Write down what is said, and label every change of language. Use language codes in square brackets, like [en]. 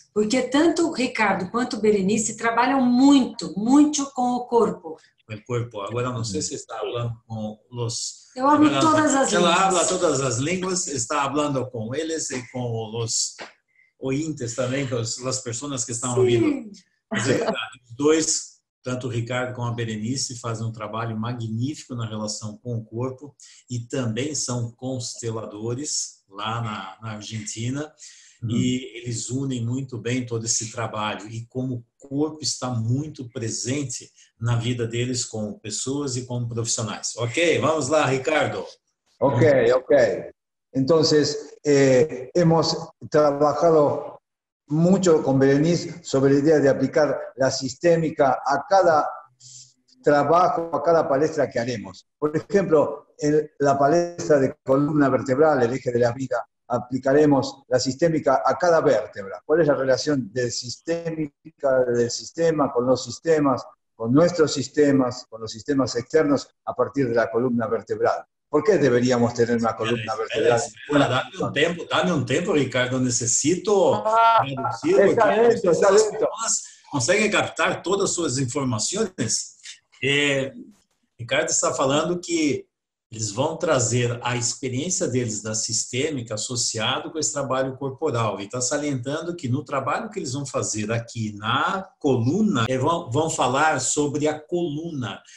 [es] Porque tanto Ricardo quanto Berenice trabajan mucho, mucho con el cuerpo. Con el cuerpo. Ahora, no sé si está hablando con los... Yo hablo todas las lenguas. Ella habla todas las lenguas, está hablando con ellos y con los ointes también, con las personas que están oyendo. Dos... [pt] Tanto o Ricardo como a Berenice fazem um trabalho magnífico na relação com o corpo e também são consteladores lá na Argentina. E eles unem muito bem todo esse trabalho e como o corpo está muito presente na vida deles como pessoas e como profissionais. Ok, vamos lá, Ricardo. Ok, ok. [es] Então, hemos trabalhado mucho con Berenice sobre la idea de aplicar la sistémica a cada trabajo, a cada palestra que haremos. Por ejemplo, en la palestra de columna vertebral, el eje de la vida, aplicaremos la sistémica a cada vértebra. ¿Cuál es la relación de sistémica del sistema con los sistemas, con nuestros sistemas, con los sistemas externos a partir de la columna vertebral? ¿Por qué deberíamos tener una columna vertebral? Bueno, dame un tiempo, Ricardo. Necesito reducir. Está lento, está lento. [pt] Consegue captar todas suas informações? Ricardo está falando que eles vão trazer a experiência deles da sistêmica associado com esse trabalho corporal. E está salientando que no trabalho que eles vão fazer aqui na coluna, vão falar sobre a coluna.